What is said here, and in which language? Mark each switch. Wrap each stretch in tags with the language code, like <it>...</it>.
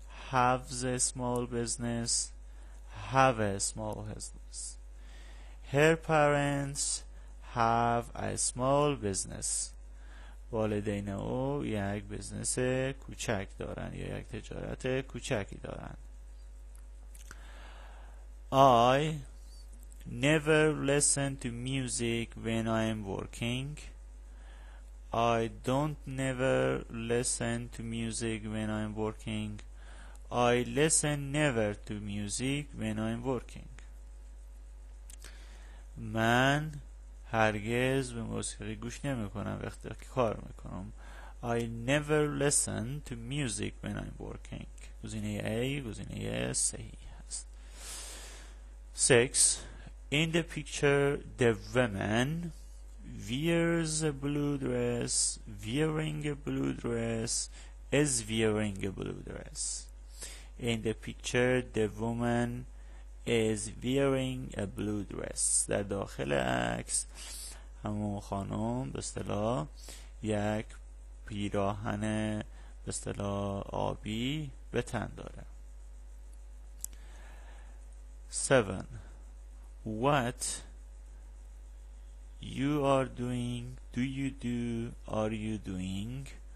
<en>Have a small business. Have a small business. Her parents have a small business.</en> <fa>والدین او یک بزنس کوچک دارن یا یک تجارت کوچکی دارن.</fa> <en>I never listen to music when I am working. I don't never listen to music when I am working. I listen never to music when I am working.</en> <fa>من هرگز به موسیقی گوش نمی کنم وقتی کار می کنم.</fa> <en>I never listen to music when I'm working.</en> <fa>گزینه A گزینه صحیح است. 6.</fa> <en>In the picture the woman wears a blue dress. Wearing a blue dress is wearing a blue dress. In the picture the woman is wearing a blue dress.</en> <fa>در داخل عکس همون خانم به اصطلاح یک پیراهن به اصطلاح آبی به تن داره.</fa> <en>7. What you are doing, do you do, are you doing?</en>